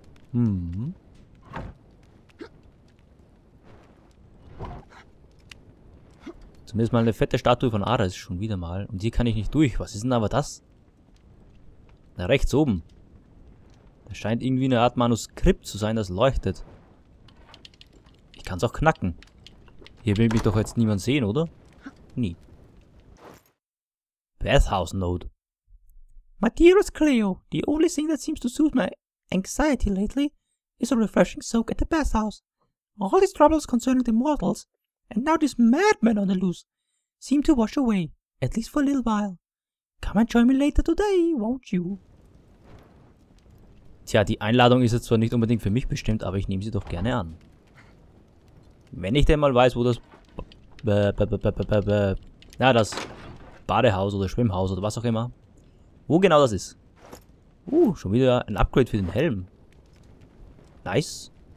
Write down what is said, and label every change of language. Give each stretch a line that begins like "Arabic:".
German: Zumindest mal eine fette Statue von Ares schon wieder mal. Und hier kann ich nicht durch. Was ist denn aber das? Da rechts oben. Da scheint irgendwie eine Art Manuskript zu sein, das leuchtet. Ich kann es auch knacken. Hier will mich doch jetzt niemand sehen, oder? Nie.
English: Bathhouse Note. My dearest Cleo, the only thing that seems to soothe my anxiety lately is a refreshing soak at the bathhouse. All these troubles concerning the mortals, and now this madman on the loose, seem to wash away, at least for a little while. Come and join me later today, won't you?
German: Tja, die Einladung ist jetzt zwar nicht unbedingt für mich bestimmt, aber ich nehme sie doch gerne an. Wenn ich denn mal weiß, wo das... das Badehaus oder Schwimmhaus oder was auch immer. Wo genau das ist. Schon wieder ein Upgrade für den Helm. Nice.